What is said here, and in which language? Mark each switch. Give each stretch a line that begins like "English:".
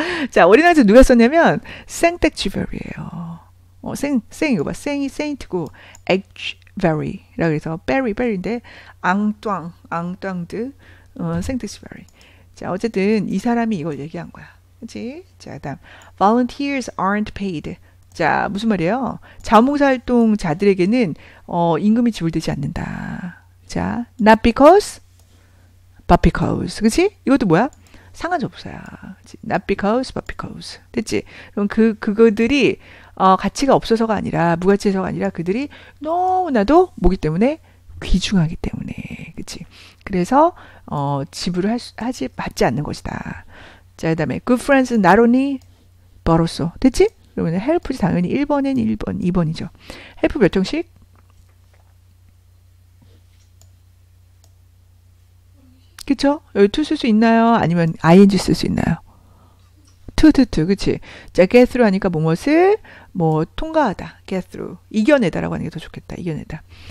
Korean: 자, 어린아이 누가 썼냐면 생텍쥐베리예요. 생 이거 봐. 생이 세인트고 엑쥐 베리 라고 해서 베리 베리인데 앙뚱 앙뚱드 생뜻이 베리. 자, 어쨌든 이 사람이 이걸 얘기한 거야. 그치?
English: 자,
Korean: 다음
English: volunteers aren't paid.
Korean: 자, 무슨 말이에요? 자원봉사 활동자들에게는 임금이 지불되지 않는다.
English: 자, not because but because.
Korean: 그치? 이것도 뭐야? 상관접사야.
English: not because but because.
Korean: 됐지? 그럼 그거들이 가치가 없어서가 아니라 무가치해서가 아니라 그들이 너무나도 뭐기 때문에 귀중하기 때문에 그치? 그래서 지불을 받지 않는 것이다.
English: 자,
Korean: 그 다음에
English: good friends not only but also.
Korean: 됐지? 그러면 help지 당연히 1번엔 1번 2번이죠. help 몇 정식? 그쵸? 여기 to 쓸 수 있나요? 아니면 ing 쓸 수 있나요? to 그치? 자, get through 하니까 무엇을? 뭐 통과하다, get through, 이겨내다라고 하는 게 더 좋겠다, 이겨내다.